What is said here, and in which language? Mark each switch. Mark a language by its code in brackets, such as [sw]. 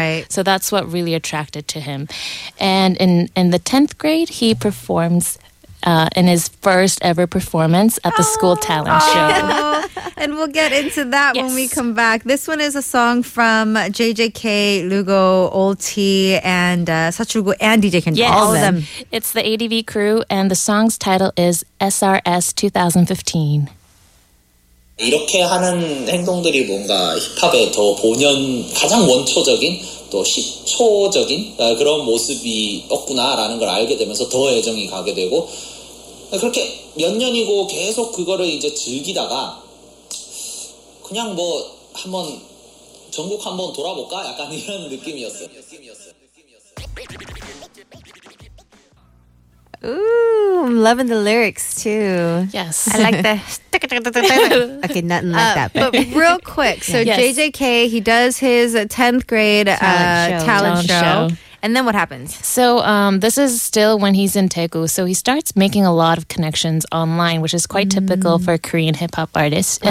[en] so that's what really attracted to him. And in the 10th grade he performs in his first ever performance at the school talent show. And we'll get into that when we come back. This one is a song from JJK, Lugo, Old T, and Sachugo, and DJ Kendra. Yes. All of them. It's the ADV Crew, and the song's title is SRS 2015. [ko] 이렇게 하는 행동들이 뭔가 힙합의 더 본연 가장 원초적인 또 시초적인 그런 모습이었구나라는 걸 알게 되면서 더 애정이 가게 되고 그렇게 몇 년이고 계속 그거를 이제 즐기다가 그냥 뭐 한번 전국 한번 돌아볼까 약간 이런 느낌이었어요. [en] Ooh, I'm loving the lyrics too. Yes. I like the. Okay, nothing like that. But real quick, so yes. JJK, he does his 10th grade talent show. And then what happens? So this is still when he's in Daegu. So he starts making a lot of connections online, which is quite typical for Korean hip-hop artists. Right.